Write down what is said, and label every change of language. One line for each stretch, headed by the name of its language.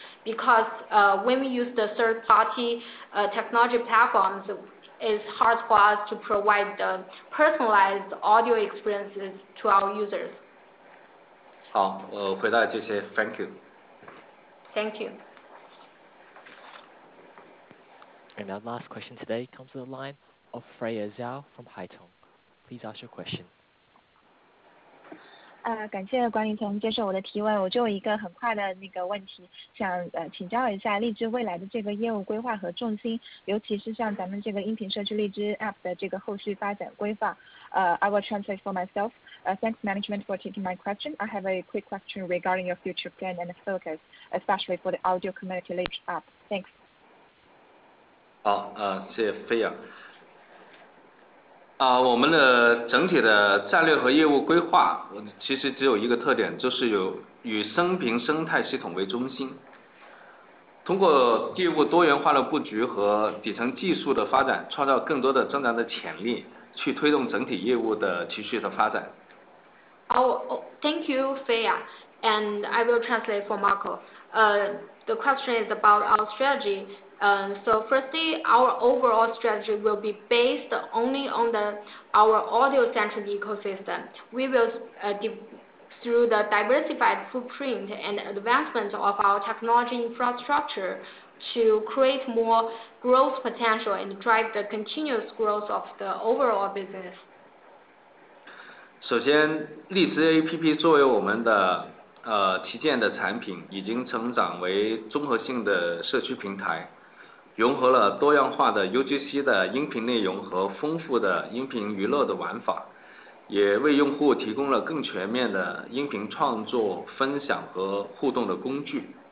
English: Because when we use the third-party technology platforms, it's hard for us to provide the personalized audio experiences to our users.
Chinese: 好，我回答这些。
English: Thank you. Thank you. And our last question today comes to the line of Freya Zhao from Haitong. Please ask your question.
Chinese: 感谢管理层接受我的提问，我就有一个很快的那个问题，想请教一下荔枝未来的这个业务规划和重心，尤其是像咱们这个音频社区荔枝 App 的这个后续发展规划。
English: I will translate for myself. Thanks management for taking my question. I have a quick question regarding your future plan and focus, especially for the audio community Leech app. Thanks.
Chinese: 好，谢谢菲亚。我们的整体的战略和业务规划其实只有一个特点，就是有与生平生态系统为中心。通过业务多元化的布局和底层技术的发展，创造更多的增长的潜力，去推动整体业务的持续的发展。
English: Thank you, Fia, and I will translate for Marco. The question is about our strategy. So firstly, our overall strategy will be based only on our audio-centric ecosystem. We will through the diversified footprint and advancement of our technology infrastructure to create more growth potential and drive the continuous growth of the overall business.
Chinese: 首先，荔枝 APP 作为我们的旗舰的产品，已经成长为综合性的社区平台，融合了多样化的 UGC 的音频内容和丰富的音频娱乐的玩法，也为用户提供了更全面的音频创作、分享和互动的工具。